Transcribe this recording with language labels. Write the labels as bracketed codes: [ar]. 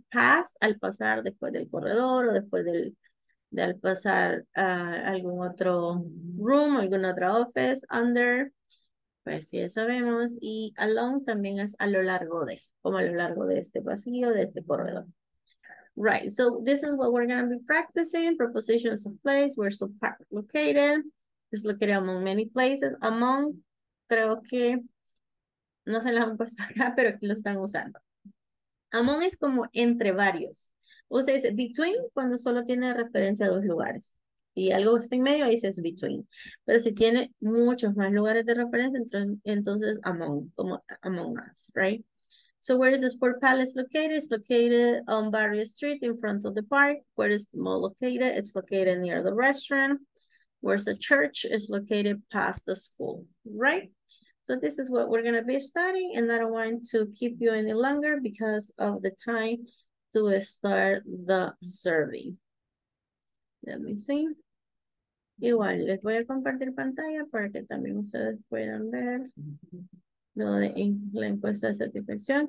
[es] Pass, al pasar después del corredor, o después del, de al pasar a algún otro room, alguna otra office, under, pues sí, sabemos. Y along también es a lo largo de, como a lo largo de este pasillo, de este corredor. [en] Right, so this is what we're going to be practicing, prepositions of place, where's the park located. Just look at it among many places. [es] Among, creo que, no se lo han puesto acá, pero aquí lo están usando. Among es como entre varios. Usted dice between cuando solo tiene referencia a dos lugares. Y algo está en medio, ahí es between. Pero si tiene muchos más lugares de referencia, entonces among, como among us, right? [en] So where is the sport palace located? It's located on Barrio Street in front of the park. Where is the mall located? It's located near the restaurant. Where's the church is located past the school, right? So this is what we're going to be studying, and I don't want to keep you any longer because of the time to start the survey. Let me see. [es] Igual, les voy a compartir pantalla para que también ustedes puedan ver lo de la encuesta de satisfacción.